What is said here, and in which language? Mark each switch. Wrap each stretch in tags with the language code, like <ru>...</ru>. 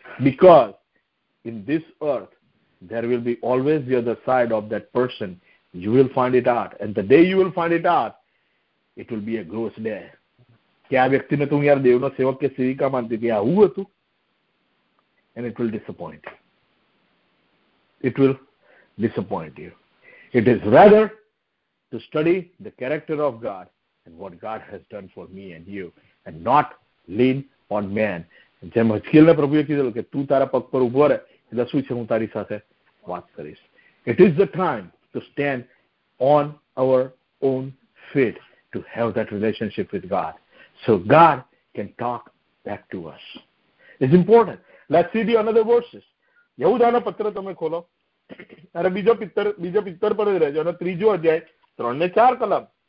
<en>Because in this earth there will be always the other side of that person. You will find it out, and the day you will find it out, it will be a gross day.</en> <gu>કે આ વ્યક્તિને તું યાર દેવનો સેવક કે સેવિકા માનતી હતી, આવું હતું,</gu> <en>And it will disappoint. It will disappoint you. It is rather to study the character of God and what God has done for me and you, and not lean on man.</en> <gu>જેમ હકીલને પ્રભુએ કીધું કે તું તારા પગ પર ઉભો રહે એટલે શું છે, હું તારી સાથે વાત કરીશ.</gu> <en>It is the time to stand on our own feet to have that relationship with God, so God can talk back to us. It's important. Let's see the another verses.</en> <gu>યહુદાના પત્ર તમે ખોલો, અરે બીજો પિત્તર, બીજો પિત્તર પર જ રહેજો, અને ત્રીજો અધ્યાય 3-4 કલમ.</gu>